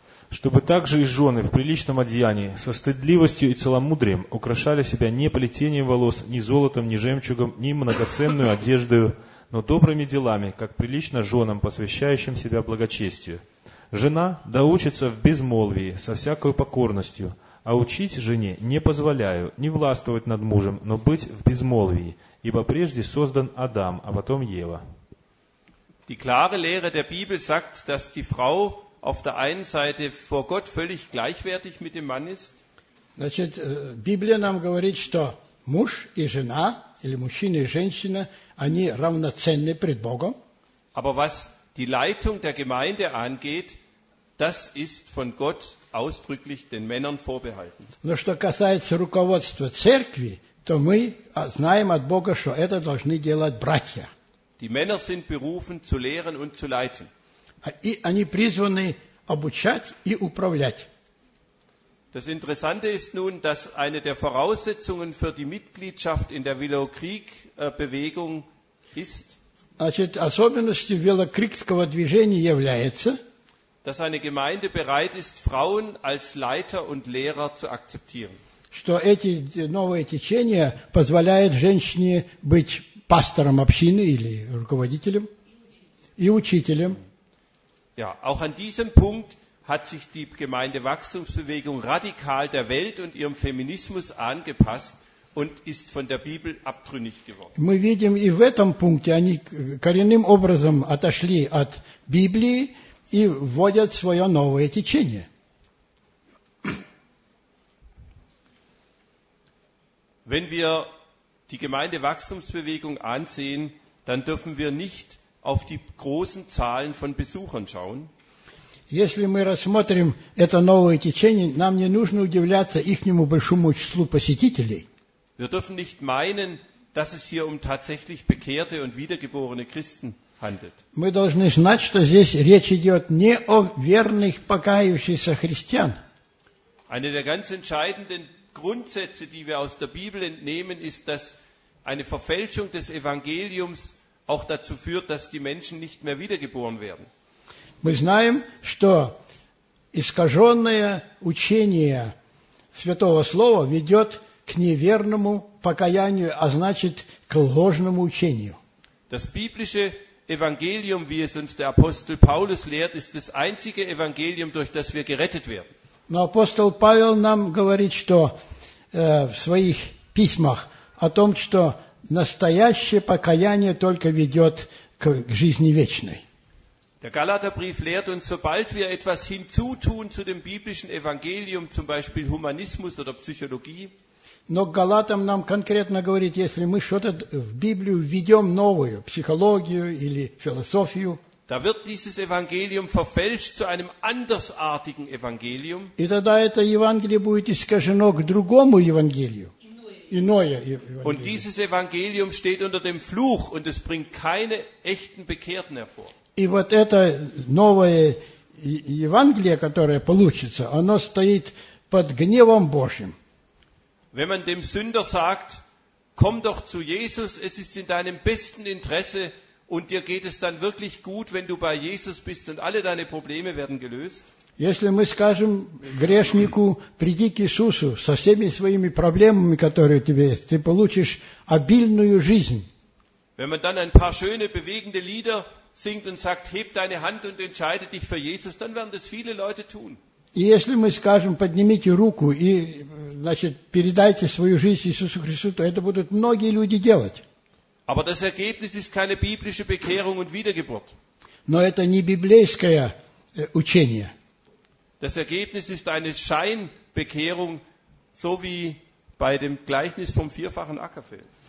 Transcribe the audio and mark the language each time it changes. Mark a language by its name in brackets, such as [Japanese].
[Russian] Чтобы также и жены в приличном одеянии, со стыдливостью и целомудрием украшали себя не плетением волос, ни золотом, ни жемчугом, ни многоценную одеждою, но добрыми делами, как прилично женам, посвящающим себя благочестию. Жена да учится в безмолвии, со всякой покорностью, а учить жене не позволяю, не властвовать над мужем, но быть в безмолвии, ибо прежде создан Адам, а потом Ева. [German] Die klare Lehre der Bibel sagt, dass die Frau auf der einen Seite vor Gott völlig gleichwertig mit dem Mann ist. [Russian] Значит, Библия нам говорит, что муж и жена, или мужчина и женщина, они равноценны пред Богом. [German] Aber was die Leitung der Gemeinde angeht, das ist von Gott ausdrücklich den Männern vorbehalten. [Russian] Но что касается руководства церкви, то мы знаем от Бога, что это должны делать братья. [German] Die Männer sind berufen zu lehren und zu leiten. [Russian] И они призваны обучать и управлять. [German] Das Interessante ist nun, dass eine der Voraussetzungen für die Mitgliedschaft in der Willow-Creek-Bewegung ist, [Russian] значит, особенностью Willow-Creek-ского движения является, [German] dass eine Gemeinde bereit ist, Frauen als Leiter und Lehrer zu akzeptieren. [Russian] Что эти новые течения позволяют женщине быть пастором общины или руководителем и учителем. [German] Ja, auch an diesem Punkt hat sich die Gemeindewachstumsbewegung radikal der Welt und ihrem Feminismus angepasst und ist von der Bibel abtrünnig geworden. [Russian] Мы видим и в этом пункте они коренным образом отошли от Библии и вводят свое новое течение. [German] Wenn wir die Gemeindewachstumsbewegung ansehen, dann dürfen wir nicht auf die großen Zahlen von Besuchern schauen. [Russian] Если мы рассмотрим это новое течение, нам не нужно удивляться ихнему большому числу посетителей. [German] Wir dürfen nicht meinen, dass es hier um tatsächlich bekehrte und wiedergeborene Christen handelt. [Russian] Мы должны знать, что здесь речь идет не о верных покаявшихся христиан. [German] Eine der ganz entscheidenden Grundsätze, die wir aus der Bibel entnehmen, ist, dass eine Verfälschung des Evangeliums auch dazu führt, dass die Menschen nicht mehr wiedergeboren werden. [Russian] Мы знаем, что искаженное учение Святого Слова ведет к неверному покаянию, а значит, к ложному учению. [German] Das biblische Evangelium, wie es uns der Apostel Paulus lehrt, ist das einzige Evangelium, durch das wir gerettet werden. [Russian] Но апостол Павел нам говорит, что в своих письмах о том, что настоящее покаяние только ведет к жизни вечной. [German] Der Galaterbrief lehrt uns, sobald wir etwas hinzutun zu dem biblischen Evangelium, zum Beispiel Humanismus oder Psychologie. [Russian] Но Галатам нам конкретно говорит, если мы что-то в Библию введем новую, психологию или философию. [German] Da wird dieses Evangelium verfälscht zu einem andersartigen Evangelium. [Russian] И тогда это Евангелие будет искажено к другому Евангелию. [German] Und dieses Evangelium steht unter dem Fluch und es bringt keine echten Bekehrten hervor. [Russian] И вот это новое Евангелие, которое получится, оно стоит под гневом Божьим. [German] Wenn man dem Sünder sagt, komm doch zu Jesus, es ist in deinem besten Interesse und dir geht es dann wirklich gut, wenn du bei Jesus bist und alle deine Probleme werden gelöst. [Russian] Если мы скажем грешнику, приди к Иисусу со всеми своими проблемами, которые у тебя есть, ты получишь обильную жизнь. [German] Wenn man dann ein paar schöne, bewegende Lieder singt und sagt, heb deine Hand und entscheide dich für Jesus, dann werden das viele Leute tun. [Russian] И если мы скажем, поднимите руку и, значит, передайте свою жизнь Иисусу Христу, то это будут многие люди делать. [German] Aber das Ergebnis ist keine biblische Bekehrung und Wiedergeburt. [Russian] Но это не библейское учение. [German] Das Ergebnis ist eine Scheinbekehrung, so wie bei dem Gleichnis vom vierfachen Ackerfeld.